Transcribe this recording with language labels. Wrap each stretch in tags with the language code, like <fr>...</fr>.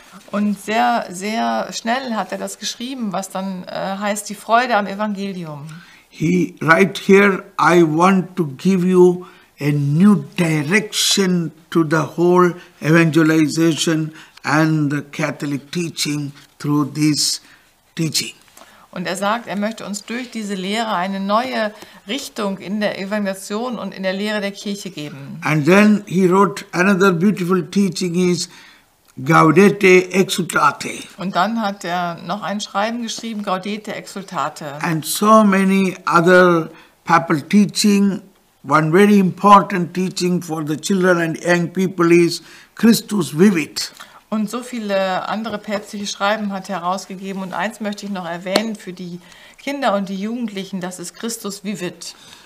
<de>Und sehr, sehr schnell hat er das geschrieben, was dann heißt die Freude am Evangelium.</de> <en>He write here, I want to give you a new direction to the whole evangelization and the Catholic teaching through this teaching.</en> <de>Und er sagt, er möchte uns durch diese Lehre eine neue Richtung in der Evangelisation und in der Lehre der Kirche geben.</de> <en>And then he wrote another beautiful teaching is Gaudete Exultate.</en> <de>Und dann hat er noch ein Schreiben geschrieben, Gaudete Exultate.</de> <en>And so many other papal teaching, one very important teaching for the children and young people is Christus Vivit.</en> <de>Und so viele andere päpstliche Schreiben hat herausgegeben. Und eins möchte ich noch erwähnen für die Kinder und die Jugendlichen, das ist Christus vivit.</de>